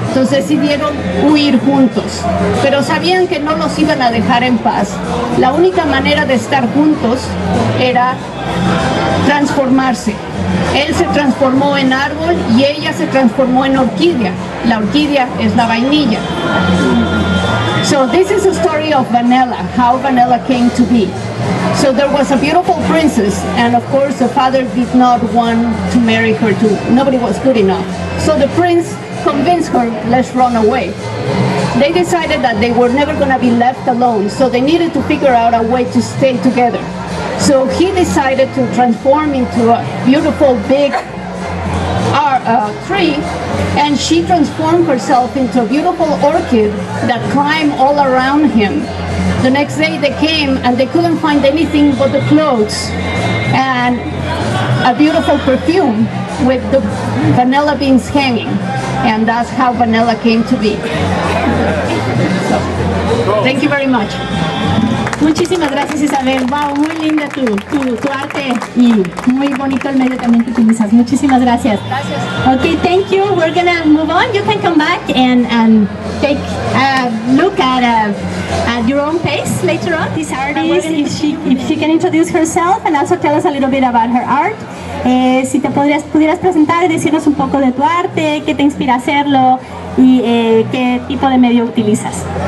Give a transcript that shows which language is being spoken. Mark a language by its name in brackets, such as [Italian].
[Spanish] Entonces decidieron huir juntos, pero sabían que no los iban a dejar en paz. La única manera de estar juntos era transformarse. Él se transformó en árbol y ella se transformó en orquídea. La orquídea es la vainilla. [English] So this is a story of vanilla, how vanilla came to be. So there was a beautiful princess, and of course the father did not want to marry her too. Nobody was good enough. So the prince convinced her, let's run away. They decided that they were never gonna be left alone, so they needed to figure out a way to stay together. So he decided to transform into a beautiful big tree, and she transformed herself into a beautiful orchid that climbed all around him. The next day they came and they couldn't find anything but the clothes and a beautiful perfume with the vanilla beans hanging, and that's how vanilla came to be. So, thank you very much. [Spanish] Muchísimas gracias, Isabel. Wow, muy linda tu arte y muy bonito el medio también que utilizas. Muchísimas gracias. Gracias. [English] Okay, thank you. We're gonna move on. You can come back and take a look at your own pace later on, this artist, if she can introduce herself and also tell us a little bit about her art. [Spanish] Si te pudieras presentar y decirnos un poco de tu arte, qué te inspira a hacerlo y qué tipo de medio utilizas.